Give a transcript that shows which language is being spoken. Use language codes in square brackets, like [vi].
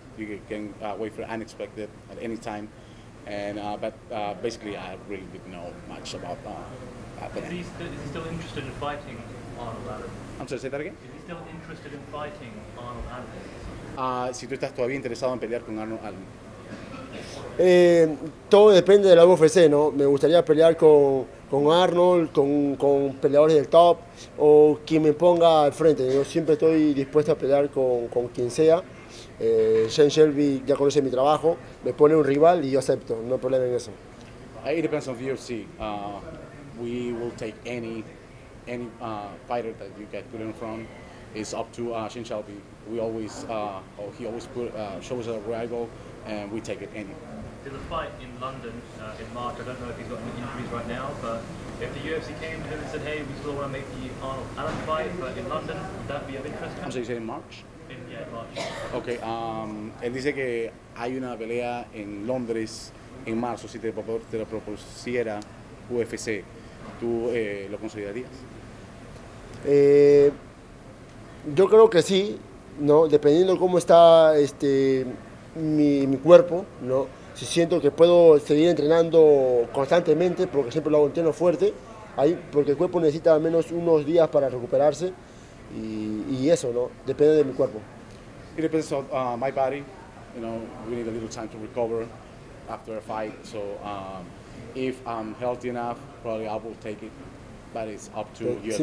[en] You can wait for unexpected at any time, and but basically I really didn't know much about that. But is he still interested in fighting Arnold Allen? I'm sorry, say that again. Is he still interested in fighting Arnold Allen? [es] Si tú estás todavía interesado en pelear con Arnold Allen. Todo depende de la UFC, ¿no? Me gustaría pelear con Arnold, con peleadores del top o quien me ponga al frente. Yo siempre estoy dispuesto a pelear con quien sea. Shane Shelby ya conoce mi trabajo, me pone un rival y yo acepto, no hay problema en eso. [en] It depends on UFC. We will take any fighter that you get put in front. It's up to Shane Shelby. We always, he always shows a rival and we take it any. There's a fight in London in March. I don't know if he's got any injuries right now, but if the UFC came to him and said, hey, we still want to make the Arnold Allen fight, but in London, would that be of interest? I'm sorry, you said in March? Yeah, [es] okay, él dice que hay una pelea en Londres en marzo. Si te lo propusiera UFC, ¿tú lo considerarías? Yo creo que sí, ¿no? Dependiendo cómo está mi cuerpo, ¿no? Si siento que puedo seguir entrenando constantemente, porque siempre lo hago entreno fuerte, ahí, porque el cuerpo necesita al menos unos días para recuperarse. Y eso, ¿no? Depende de mi cuerpo. [en] It depends on my body. You know, we need a little time to recover after a fight. So if I'm healthy enough, probably I will take it. But it's up to UFC.